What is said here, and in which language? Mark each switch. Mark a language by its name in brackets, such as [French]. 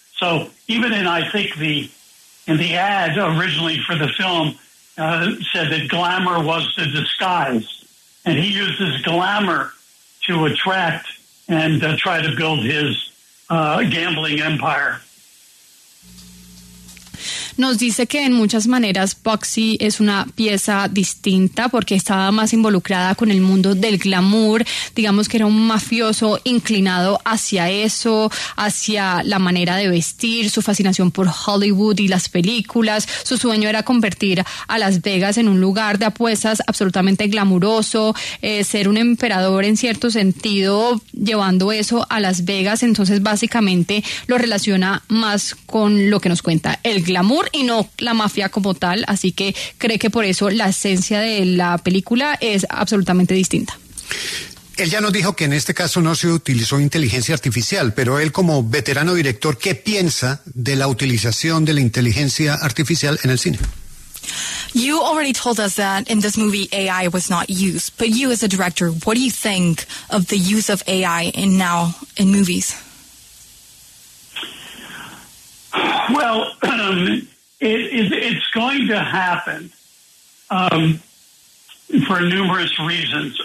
[English] So even in, I think, the ad originally for the film said that glamour was the disguise. And he used his glamour to attract and try to build his gambling empire. [Spanish] Nos dice que en muchas maneras Bugsy es una pieza distinta porque estaba más involucrada con el mundo del glamour, digamos que era un mafioso inclinado hacia eso, hacia la manera de vestir, su fascinación por Hollywood y las películas, su sueño era convertir a Las Vegas en un lugar de apuestas absolutamente glamuroso, ser un emperador en cierto sentido, llevando eso a Las Vegas. Entonces básicamente lo relaciona más con lo que nos cuenta el glamour y no la mafia como tal, así que cree que por eso la esencia de la película es absolutamente distinta. Él ya nos dijo que en este caso no se utilizó inteligencia artificial, pero él, como veterano director, ¿qué piensa de la utilización de la inteligencia artificial en el cine? [English] You already told us that in this movie AI was not used, but you as a director, what do you think of the use of AI in now in movies? Well, it's going to happen for numerous reasons.